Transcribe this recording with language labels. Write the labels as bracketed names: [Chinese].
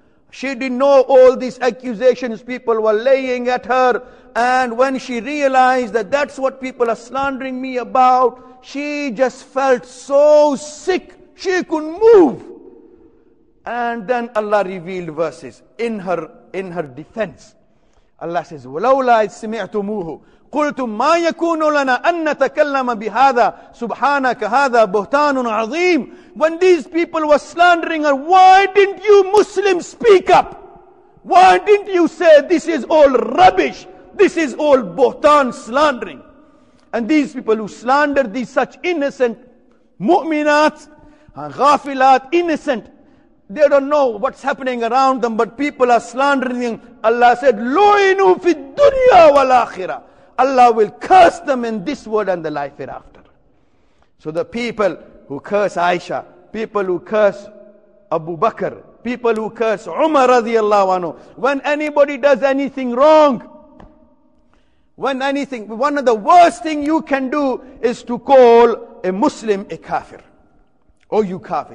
[English] She didn't know all these accusations people were laying at her. And when she realized that that's what people are slandering me about, she just felt so sick, she couldn't move. And then Allah revealed verses in her defense. Allah says, [Arabic] وَلَوْلَا إِذْ سِمِعْتُمُوهُ قُلْتُمْ مَا يَكُونُ لَنَا أَن نَتَكَلَّمَ بِهَذَا سُبْحَانَكَ هَذَا بُهْتَانٌ عَظِيمٌ. [English] When these people were slandering her, why didn't you Muslims speak up? Why didn't you say this is all rubbish? This is all buhtan, slandering. And these people who slandered these such innocent mu'minat, ghafilat, innocent, they don't know what's happening around them, but people are slandering them. Allah said, [Arabic] لُعِنُوا فِي الدُّنْيَا وَالْآخِرَةِ. [English] Allah will curse them in this world and the life hereafter. So the people who curse Aisha, people who curse Abu Bakr, people who curse Umar radiallahu anhu, when anybody does anything wrong, one of the worst thing you can do is to call a Muslim a kafir. Oh, you kafir.